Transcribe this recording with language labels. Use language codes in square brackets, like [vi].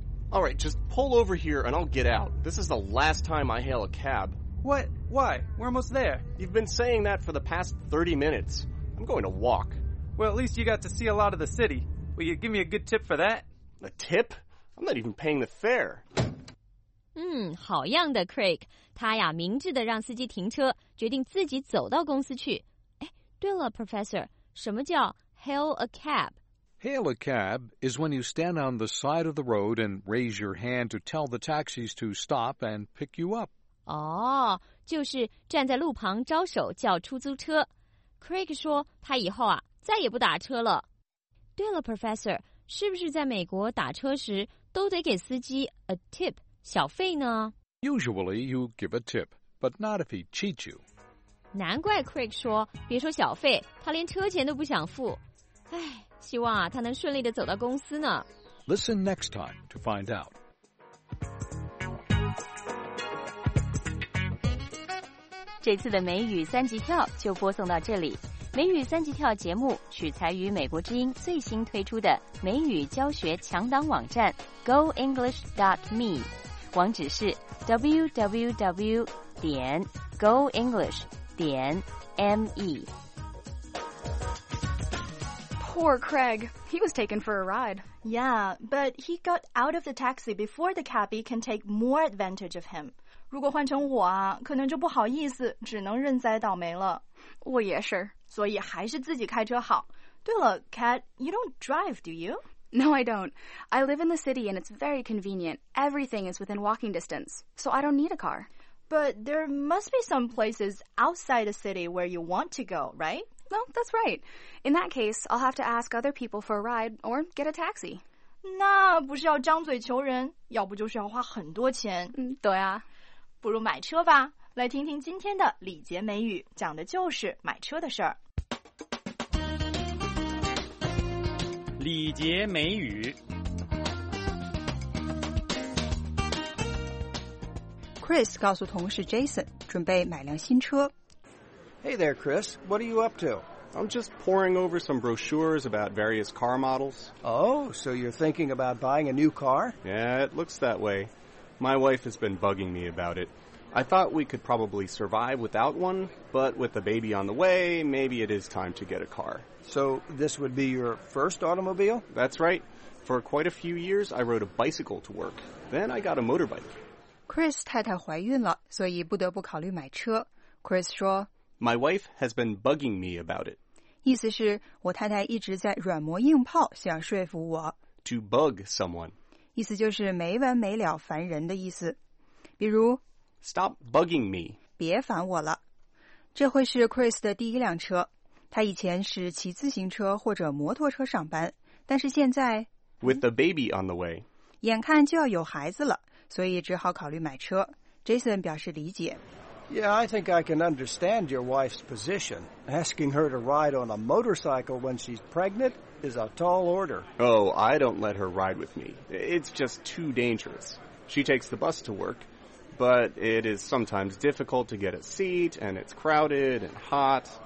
[en] All right, just pull over here and I'll get out. This is the last time I hail a cab. What? Why? We're almost there. You've been saying that for the past 30 minutes. I'm going to walk. Well, at least you got to see a lot of the city. Will you give me a good tip for that? A tip? I'm not even paying the fare. [zh] 好样的 Craig, 他呀明智地让司机停车，决定自己走到公司去。哎，对了 Professor, 什么叫 hail a cab? [en] Hail a cab is when you stand on the side of the road and raise your hand to tell the taxis to stop and pick you up. [zh] 哦，就是站在路旁招手叫出租车。 Craig 说他以后啊再也不打车了。对了 Professor， 是不是在美国打车时都得给司机 a tip 小费呢？ [en] Usually you give a tip, but not if he cheats you。 [zh] 难怪 Craig 说别说小费，他连车钱都不想付。哎，希望啊他能顺利地走到公司呢。 [en] Listen next time to find out。 [zh] 这次的美语三级跳就播送到这里。美语三级跳节目取材于美国之音最新推出的美语教学强档网站 goenglish.me， 网址是 www.goenglish.me。 [en] Poor Craig, he was taken for a ride. Yeah, but he got out of the taxi before the cabbie can take more advantage of him. [zh] 如果换成我啊，可能就不好意思，只能认栽倒霉了。我也是，所以还是自己开车好。对了 Kat, [en] you don't drive, do you? No, I don't. I live in the city and it's very convenient. Everything is within walking distance, so I don't need a car. But there must be some places outside the city where you want to go, right? Well, that's right. In that case, I'll have to ask other people for a ride or get a taxi. [zh] 那不是要张嘴求人，要不就是要花很多钱。嗯，对啊。不如买车吧。来听听今天的礼节美语，讲的就是买车的事儿。礼节美语。 Chris 告诉同事 Jason， 准备买辆新车。 [en] Hey there, Chris. What are you up to? I'm just poring over some brochures about various car models. Oh, so you're thinking about buying a new car? Yeah, it looks that way. My wife has been bugging me about it. I thought we could probably survive without one, but with a baby on the way, maybe it is time to get a car. So this would be your first automobile? That's right. For quite a few years, I rode a bicycle to work. Then I got a motorbike. [zh] Chris 太太怀孕了，所以不得不考虑买车。Chris 说， [en] My wife has been bugging me about it. [zh] 意思是我太太一直在软磨硬泡想说服我。 [en] To bug someone. [zh] 意思就是没完没了烦人的意思。比如 [en] Stop bugging me. [zh] 别烦我了。这会是 Chris 的第一辆车。他以前是骑自行车或者摩托车上班，但是现在 [en] With the baby on the way. [zh] 眼看就要有孩子了，所以只好考虑买车。 Jason 表示理解。 [en] Yeah, I think I can understand your wife's position. Asking her to ride on a motorcycle when she's pregnant is a tall order. Oh, I don't let her ride with me. It's just too dangerous. She takes the bus to work, but it is sometimes difficult to get a seat, and it's crowded and hot.